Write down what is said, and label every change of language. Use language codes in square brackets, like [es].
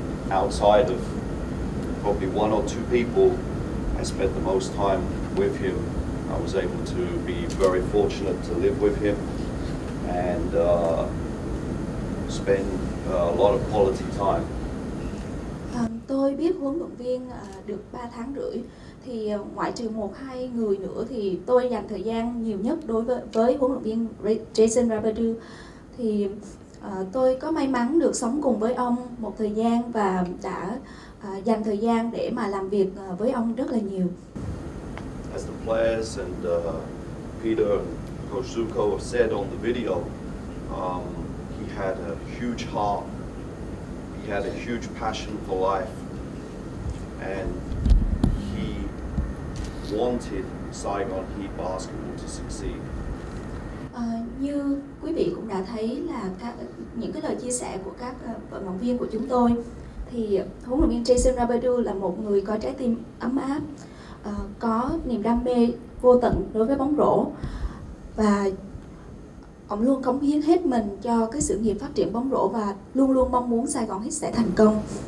[en] Outside of probably one or two people, I spent the most time with him. I was able to be very fortunate to live with him and spend a lot of quality time. [vi] Tôi biết huấn luyện viên được 3 tháng rưỡi. Thì ngoại trừ một hai người nữa thì tôi dành thời gian nhiều nhất đối với huấn luyện viên Jason Rabedeux. Thì tôi có may mắn được sống cùng với ông một thời gian và đã dành thời gian để mà làm việc với ông rất là nhiều. [en] As the players and Peter and Coach Zuko have said on the video, he had a huge heart, he had a huge passion for life, and he wanted Saigon Heat basketball to succeed. [vi] Như quý vị cũng đã thấy là những cái lời chia sẻ của các vận động viên của chúng tôi, thì huấn luyện viên Jason Rabedeux là một người có trái tim ấm áp, có niềm đam mê vô tận đối với bóng rổ, và ông luôn cống hiến hết mình cho cái sự nghiệp phát triển bóng rổ và luôn luôn mong muốn Sài Gòn Heat sẽ thành công.